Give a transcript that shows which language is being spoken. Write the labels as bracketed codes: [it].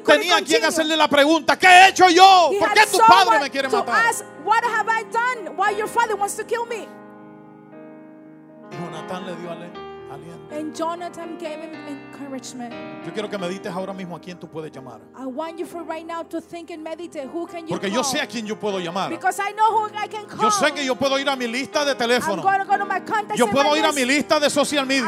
[es] tenía [en] continue. [es] Quien hacerle la pregunta, ¿qué he hecho yo? [en] He [es] ¿por qué tu padre me quiere matar? [en] Ask, what have I done? Why your father wants to kill me? [es] Y Jonathan le dio a [en] and Jonathan gave him encouragement. [es] Yo quiero que medites ahora mismo a quién tú puedes llamar. [en] I want you for right now to think and meditate who can you [es] porque [en] call. [es] Yo sé a quién yo puedo llamar. [en] Because I know who I can call. [es] Yo sé que yo puedo ir a mi lista de teléfono. [en] I'm going to go to my contacts. [es] Yo puedo ir a mi lista de social media.